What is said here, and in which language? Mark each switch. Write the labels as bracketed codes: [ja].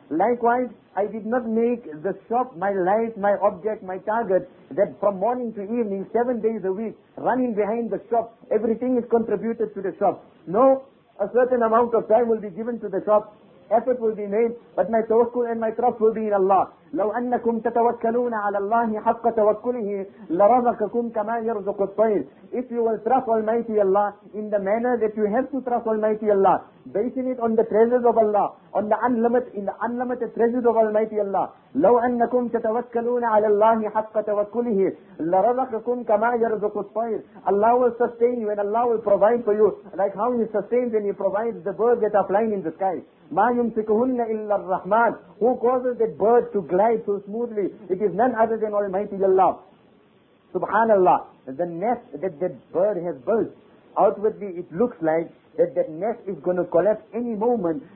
[en] Likewise, I did not make the shop my life, my object, my target, that from morning to evening, 7 days a week, running behind the shop, everything is contributed to the shop. No, a certain amount of time will be given to the shop, effort will be made, but my tawakkul and my trust will be in Allah. [ar] لو أنكم تتوكلون على الله حق توكله لرزقكم كما يرزق الطير. [en] If you will trust Almighty Allah in the manner that you have to trust Almighty Allah, basing it on the treasures of Allah, on the unlimited treasures of Almighty Allah. [ar] لو أنكم تتوكلون على الله حق توكله لرزقكم كما يرزق الطير. [en] Allah will sustain you and Allah will provide for you, like how He sustains and He provides the birds that are flying in the sky. [ar] ما يمسكهن إلا الرحمن. [en] Who causes that bird to glide so smoothly? It is none other than Almighty Allah. Subhanallah. The nest that that bird has built, outwardly it looks like that that nest is going to collapse any moment.